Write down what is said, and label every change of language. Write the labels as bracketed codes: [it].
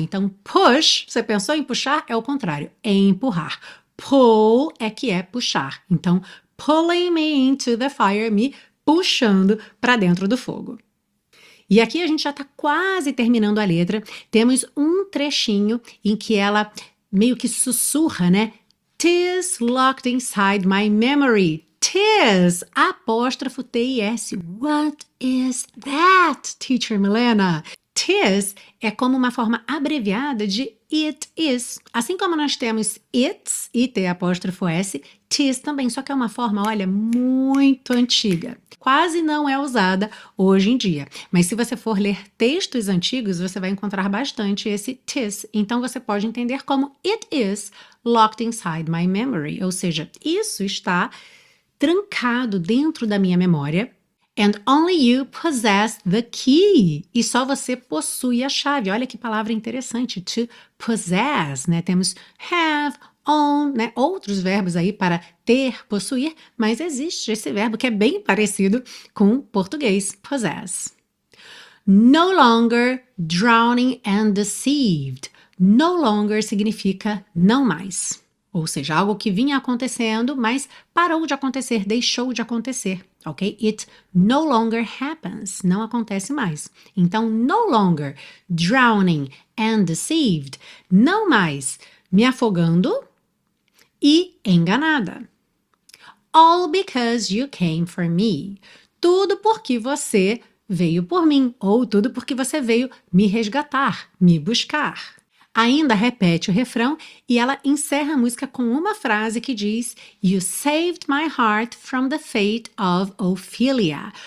[pt] Então, push, você pensou em puxar? É o contrário, é empurrar. Pull é que é puxar. Então, [en] pulling me into the fire, [pt] me puxando para dentro do fogo. E aqui a gente já está quase terminando a letra. Temos um trechinho em que ela meio que sussurra, né? [en] Tis locked inside my memory. Tis, apóstrofo T-I-S. What is that, teacher Milena? [pt] Tis é como uma forma abreviada de it is. Assim como nós temos it's, it, apóstrofo S, tis também, só que é uma forma, olha, muito antiga. Quase não é usada hoje em dia. Mas se você for ler textos antigos, você vai encontrar bastante esse tis. Então você pode entender como [en] it is locked inside my memory. [pt] Ou seja, isso está trancado dentro da minha memória. [en] And only you possess the key. [pt] E só você possui a chave. Olha que palavra interessante. To possess, né? Temos have, own, né? Outros verbos aí para ter, possuir. Mas existe esse verbo que é bem parecido com português, possess. [en] No longer drowning and deceived. [pt] No longer significa não mais. Ou seja, algo que vinha acontecendo, mas parou de acontecer, deixou de acontecer, ok? [en] It no longer happens, [pt] não acontece mais. Então, [en] no longer drowning and deceived, [pt] não mais me afogando e enganada. [en] All because you came for me. [pt] Tudo porque você veio por mim, ou tudo porque você veio me resgatar, me buscar. Ainda repete o refrão e ela encerra a música com uma frase que diz: [en] You saved my heart from the fate of Ophelia.